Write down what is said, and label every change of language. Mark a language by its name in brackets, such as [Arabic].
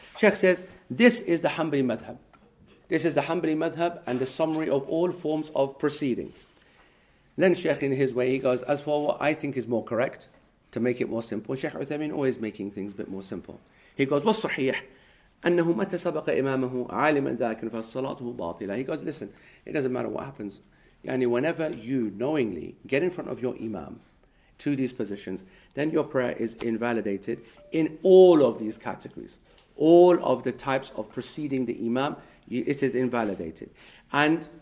[English] Sheikh says, this is the Hanbali madhab. This is the Hanbali madhab and the summary of all forms of proceeding. Then Sheikh, in his way, he goes, as for what I think is more correct, to make it more simple, Sheikh Uthaymeen always making things a bit more simple. He goes, what's sahih? [Arabic] أنه متى سبق إمامه عالما ذاك فصلاته باطلة. [English] He goes, listen, it doesn't matter what happens. Yani whenever you knowingly get in front of your imam to these positions, then your prayer is invalidated in all of these categories. All of the types of preceding the imam, it is invalidated. And